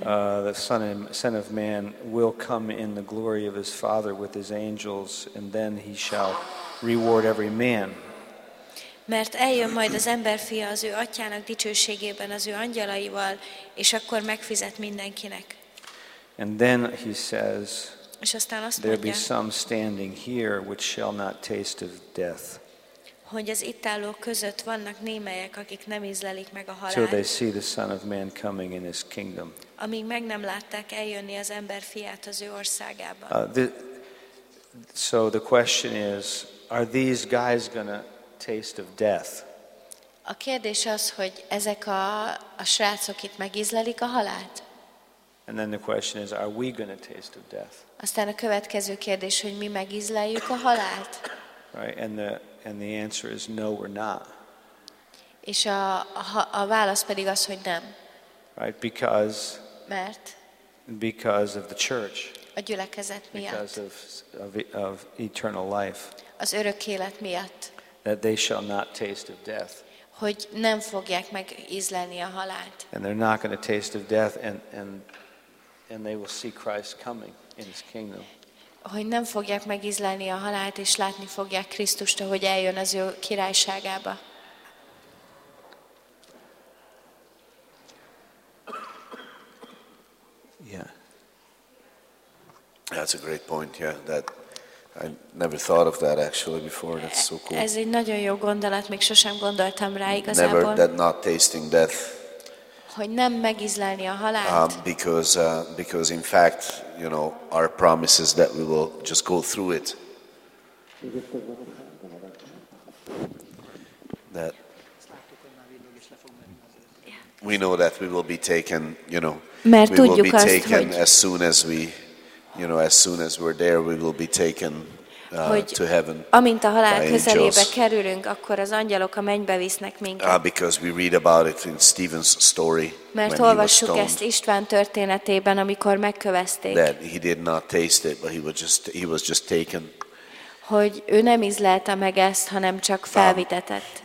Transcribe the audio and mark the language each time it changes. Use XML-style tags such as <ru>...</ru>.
<en>The son of man will come in the glory of his father with his angels, and then he shall reward every man.</en> <hu>Mert eljön majd az emberfia az ő atyának dicsőségében az ő angyalaival, és akkor megfizet mindenkinek.</hu> <en>And then he says,</en> <hu>és aztán azt</hu> <en>there</en> <hu>mondja,</hu> <en>be some standing here which shall not taste of death.</en> <hu>Hogy az itt állók között vannak némelyek, akik nem ízlelik meg a halált.</hu> <en>Till they see the Son of Man coming in his kingdom.</en> <hu>Amíg meg nem látták eljönni az ember fiát az ő országában.</hu> <en>So the question is, are these guys gonna taste of death?</en> <hu>A kérdés az, hogy ezek a srácok itt megízlelik a halált?</hu> <en>And then the question is, are we gonna taste of death?</en> <hu>Aztán a következő kérdés, hogy mi megízleljük a halált?</hu> <en>Right, and the answer is no, we're not.</en> <hu>És a válasz pedig az, hogy nem.</hu> <en>Right, because.</en> <hu>Mert.</hu> <en>Because of the church.</en> <hu>A gyülekezet miatt.</hu> <en>Because of eternal life.</en> <hu>Az örök élet miatt.</hu> <en>That they shall not taste of death.</en> <hu>Hogy nem fogják meg ízlelni a halált.</hu> <en>And they're not going to taste of death, and they will see Christ coming in his kingdom.</en> <hu>Hogy nem fogják megízlelni a halált, és látni fogják Krisztust, ahogy eljön az ő királyságába.</hu> <en>Yeah. That's a great point, yeah. That I never thought of that actually before. That's so cool.</en> <hu>Ez egy nagyon jó gondolat, még sosem gondoltam rá igazából.</hu> <en>Never that not tasting death.</en> <hu>Hogy nem megízlelni a halált.</hu> <en>Because in fact, you know, our promise is that we will just go through it. That we know that we will be taken, you know,</en> <hu>mert</hu> <en>we will be taken</en> <hu>azt,</hu> <en>as soon as we, you know, as soon as we're there, we will be taken to heaven.</en> <hu>Amint a halál közelébe kerülünk, akkor az angyalok a mennybe visznek minket.</hu> <en>Because we read about it in Stephen's story.</en> <hu>Mert olvassuk ezt István történetében, amikor megkövezték.</hu> <en>That he did not taste it, but he was just taken.</en> <hu>Hogy ő nem ízlelte meg ezt, hanem csak felvitetett.</hu>